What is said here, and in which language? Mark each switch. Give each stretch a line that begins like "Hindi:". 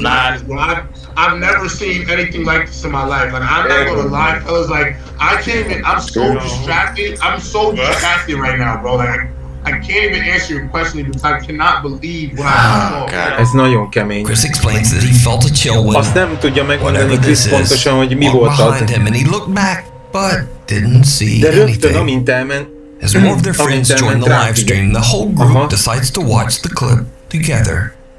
English: I've never seen anything like this in my life. Like, I'm not gonna lie, fellas. Like, I can't even. I'm so distracted right now, bro. Like, I can't even answer your question because I cannot believe what I saw. It's
Hungarian: nagyon kemény.
English: Chris explains that he felt a chill when.
Hungarian: Azt nem tudja megmondani Chris pontosan, hogy mi volt az.
English: And he looked back, but didn't see anything. As more of their friends join the live stream, the whole group decides to watch the clip together.